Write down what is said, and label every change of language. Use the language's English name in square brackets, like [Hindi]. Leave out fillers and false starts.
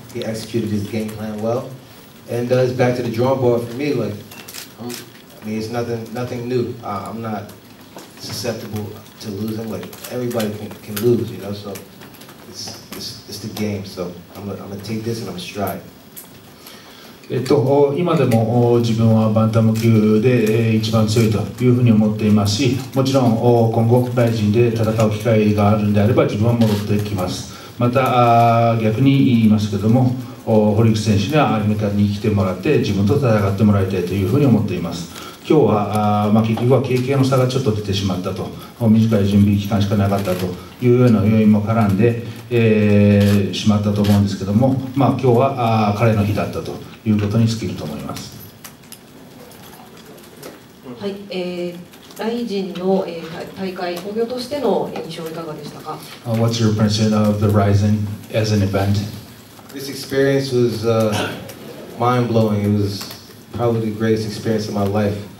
[English] He executed his game plan well. And it's back to the drawing board for me. Like, it's nothing new. I'm not susceptible to losing. Like, everybody can lose, you know? So it's the game. So I'm gonna take this and I'm gonna strive. [Japanese] 今でも自分はバンタム級で一番強いというふうに思っていますし、もちろん今後ライジンで戦う機会があるんであれば自分は戻ってきます。また逆に言いますけども、堀口選手にはアルミカに来てもらって自分と戦ってもらいたいというふうに思っています。今日は、結局は経験の差がちょっと出てしまったと、短い準備期間しかなかったというような要因も絡んで、しまったと思うんですけども、今日は彼の日だったということに尽きると思います。はい、ライジンの、大会興行としての印象いかがでしたか。 [English] What's your impression of the Rizin as an event? This experience was mind-blowing. It was probably the greatest experience of my life.